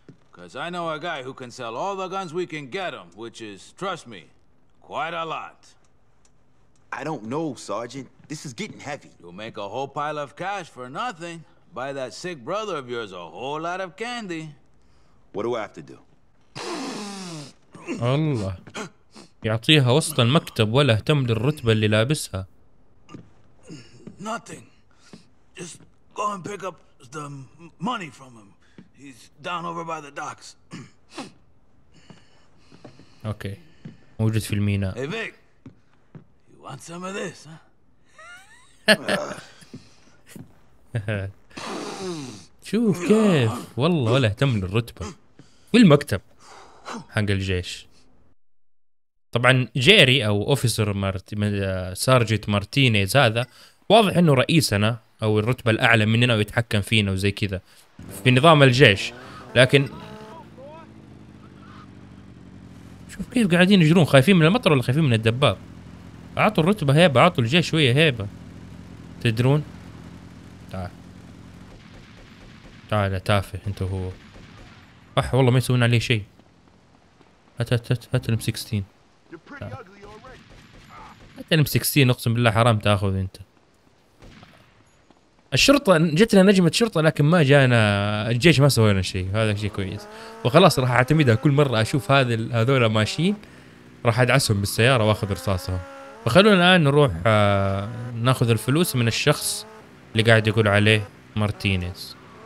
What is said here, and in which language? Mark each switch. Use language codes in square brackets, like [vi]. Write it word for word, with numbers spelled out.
[en] Because I know a guy who can sell all the guns we can get him, which is, trust me, quite a lot. I don't know, Sergeant. This is getting heavy. You'll make a whole pile of cash for nothing. Buy that sick brother of yours a whole lot of candy. What do I have to do? [ar] الله يعطيها وسط المكتب ولا اهتم للرتبة اللي لابسها. [en] Nothing. Just go and pick up the m- money from him. He's down over by the docks. [ar] أوكي موجود في الميناء. [en] Hey, Vic. You want some of this, huh? [ar] شوف كيف والله ولا اهتم للرتبة والمكتب حق الجيش. طبعا جيري او اوفيسر مارت... من- سارجيت مارتينيز هذا واضح انه رئيسنا او الرتبة الاعلى مننا ويتحكم فينا وزي كذا في نظام الجيش. لكن شوف كيف قاعدين يجرون، خايفين من المطر ولا خايفين من الدباب؟ اعطوا الرتبة هيبة، اعطوا الجيش شوية هيبة. تدرون تعال تعال تافه انت وهو. اح والله ما يسوون عليه شيء. هات هات هات هات الام ستة عشر، [en] You're pretty ugly already. [ar] هات الام ستة عشر، اقسم بالله حرام تاخذ انت. الشرطة جتنا نجمة شرطة لكن ما جانا الجيش، ما سوينا شيء، هذا شيء كويس. وخلاص راح اعتمدها كل مرة اشوف هذا هذول ماشيين راح ادعسهم بالسيارة واخذ رصاصهم. فخلونا الان نروح آه ناخذ الفلوس من الشخص اللي قاعد يقول عليه مارتينيز.